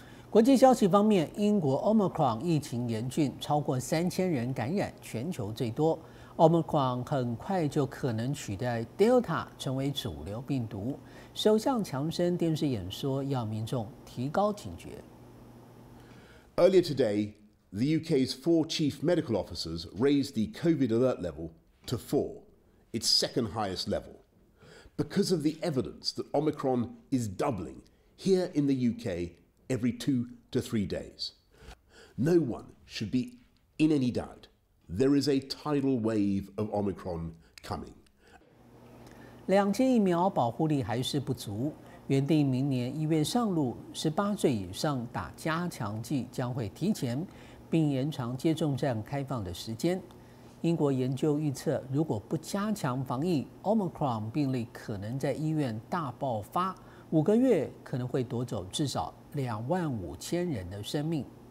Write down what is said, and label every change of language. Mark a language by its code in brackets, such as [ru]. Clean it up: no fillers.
[zh] 国际消息方面，英国 Omicron 疫情严峻，超过3000人感染，全球最多。 Omicron 很快就可能取代 Delta 成为主流病毒。首相强生电视演说要民众提高警觉。 [en] Earlier today, the UK's 4 chief medical officers raised the COVID alert level to 4, its second highest level. Because of the evidence that Omicron is doubling here in the UK,every 2 to 3 days. No one should be in any doubt. There is a tidal wave of Omicron coming. [zh] 两剂疫苗保护力还是不足。原定明年1月上路，18岁以上打加强剂将会提前，并延长接种站开放的时间。英国研究预测，如果不加强防疫， Omicron 病例可能在医院大爆发，5个月可能会夺走至少25000人的生命。